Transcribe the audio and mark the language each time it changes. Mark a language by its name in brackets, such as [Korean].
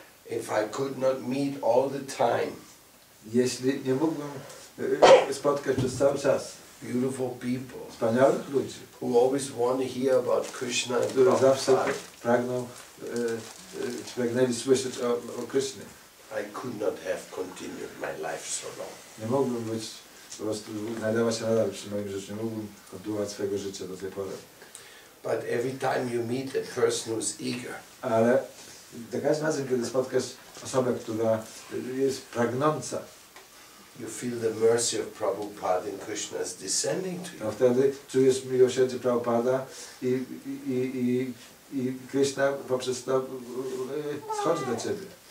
[English] If I could not meet all the time. [Polish] Jeśli nie mógłbym spotkać przez cały czas. [English] Beautiful people. [Polish] Wspaniałych ludzi. [English] Who always want to hear about Krishna. [Polish] Którzy zawsze pragną. Pragnęli słyszeć o Krishnie. [English] I could not have continued my life so long. [Polish] Nie mogłem być po prostu znajdować się nadal przy moim życiu. Nie mogłem kontynuować swojego życia do tej pory. [English] But every time you meet a person who's eager. [Polish] Ale za każdym razem, kiedy spotkasz osobę, która jest pragnąca, [English] you feel the mercy of Prabhupada and Krishna's descending to you. [Polish] Wtedy czujesz miłosierdzie Prabhupada i Krishna poprzez to schodzi do ciebie.